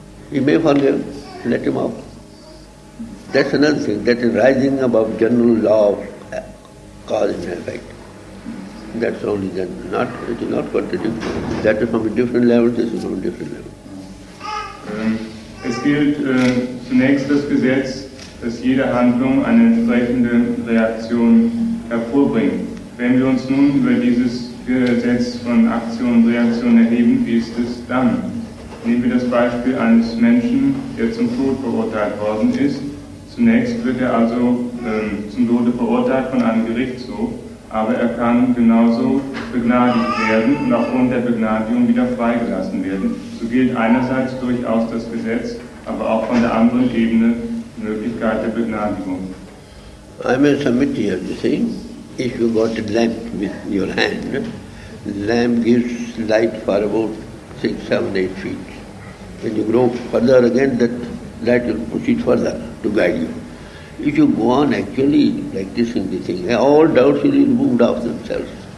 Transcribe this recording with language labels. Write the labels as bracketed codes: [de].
[en] He may forgive, let him off. That's another thing, that is rising above general law of cause and effect. That's only that. Not, it is not contradictory. That is from a different level, this is from a different level. [de] Es gilt zunächst das Gesetz, dass jede Handlung eine entsprechende Reaktion hervorbringt. Wenn wir uns nun über dieses Gesetz von Aktion und Reaktion erheben, wie ist es dann? Nehmen wir das Beispiel eines Menschen, der zum Tod verurteilt worden ist. Zunächst wird er also zum Tode verurteilt von einem Gerichtshof, aber er kann genauso begnadigt werden und aufgrund der Begnadigung wieder freigelassen werden. So gilt einerseits durchaus das Gesetz, aber auch von der anderen Ebene die Möglichkeit der Begnadigung. [en] I may submit here, you see, if you got a lamp with your hand, the lamp gives light for about 6, 7, 8 feet. when you grow further again, that light will proceed further to guide you. If you go on actually practicing the thing, all doubts will be removed of themselves.